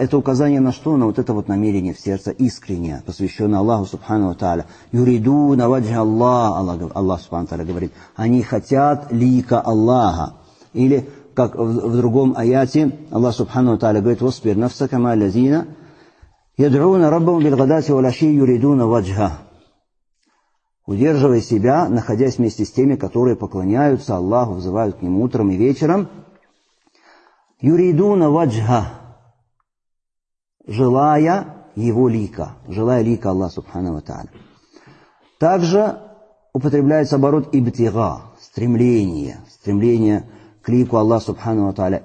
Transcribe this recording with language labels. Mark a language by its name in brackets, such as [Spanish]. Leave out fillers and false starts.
[Russian] Это указание на что? На вот это вот намерение в сердце искреннее, посвященное Аллаху Субхану ва Тааля. [Arabic] «Юриду на ваджхи Аллах», [Russian] Аллах Субхану ва Тааля говорит. «Они хотят лика Аллаха». Или как в другом аяте Аллах Субхану ва Тааля говорит [Arabic] «Воспир нафсака ма лазина». يدعون ربهم بالغداة والعشي يريدون وجهه. [Russian] Удерживай себя, находясь вместе с теми, которые поклоняются Аллаху, взывают к Нему утром и вечером. [Arabic] يريدون وجهه. [Russian] Желая Его лика, желая лика Аллаха Субхана ва Тааля. Также употребляется оборот ибтига, стремление, стремление к лику Аллаха Субхана ва Тааля.